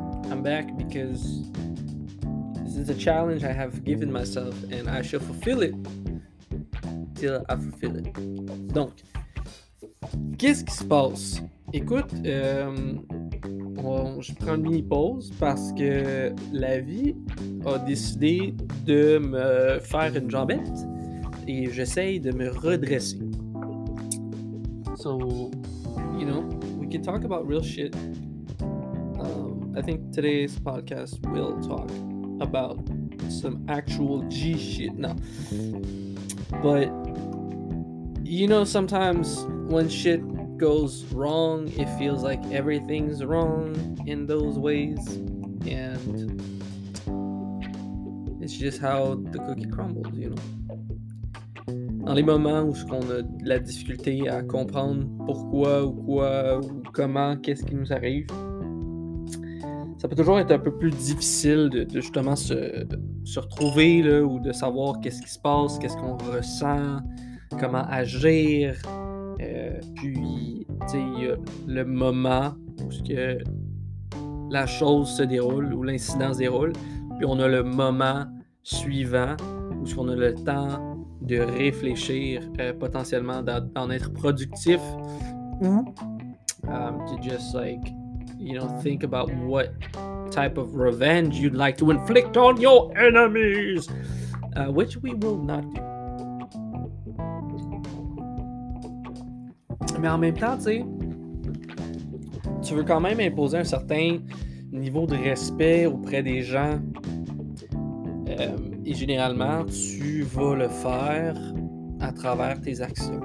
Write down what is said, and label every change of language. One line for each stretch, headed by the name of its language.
English: I'm back because this is a challenge I have given myself and I shall fulfill it till I fulfill it.
French: Donc, qu'est-ce qui se passe? Écoute, je prends une mini-pause parce que la vie a décidé de me faire une jambette et j'essaye de me redresser.
English: So, you know, we can talk about real shit. I think today's podcast will talk about some actual G shit. No. But, you know, sometimes when shit goes wrong, it feels like everything's wrong in those ways, and it's just how the cookie crumbles, you know.
French: Dans les moments où on a la difficulté à comprendre pourquoi ou quoi ou comment, qu'est-ce qui nous arrive, ça peut toujours être un peu plus difficile de justement se retrouver là, ou de savoir qu'est-ce qui se passe, qu'est-ce qu'on ressent, comment agir. Puis, tu sais, il y a le moment où que la chose se déroule, où l'incident se déroule, puis on a le moment suivant où on a le temps de réfléchir potentiellement, d'en être productif.
English: To just like, you know, think about what type of revenge you'd like to inflict on your enemies, which we will not do.
French: Mais en même temps, tu sais, tu veux quand même imposer un certain niveau de respect auprès des gens. Et généralement, tu vas le faire à travers tes actions.